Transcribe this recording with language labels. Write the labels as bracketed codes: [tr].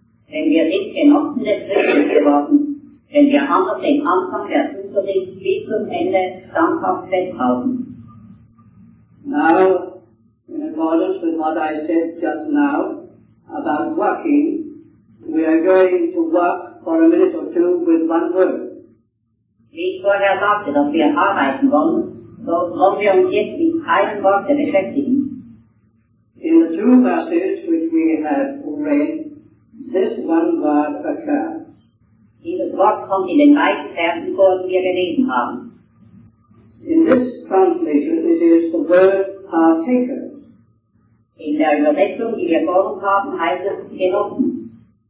[de] Wenn wir nicht genossen des Christus geworden, wenn wir aber den Anfang der Zuversicht bis zum Ende standhaft festhalten. [en] Now, in accordance with what I said just now about working, we are going to work for a minute or two with one word. [de] Wie ich vorher sagte, dass wir arbeiten wollen, so wollen wir uns jetzt mit einem Wort beschäftigen. [en] In the two verses which we have read, this one word occurs. [de] Dieses Wort kommt in den beiden Versen, die wir gelesen haben. [en] In this translation, it is the word partakers. [de] In der Übersetzung, die wir vorhin haben, heißt es genossen.